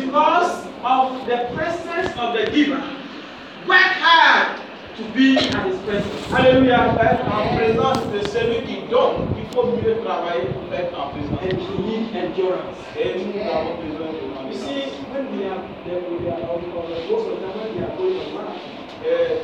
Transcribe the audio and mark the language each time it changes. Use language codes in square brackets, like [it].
[en] Because of the presence of the giver, work hard to be at his presence. Hallelujah. [fr] En présence de celui qui donne, il faut mieux travailler pour être en présence. [en] And you need endurance. [fr] Et nous avons besoin de l'endurance. [en] You see, when we are there, we are on the road, most of the time we are going to marathon.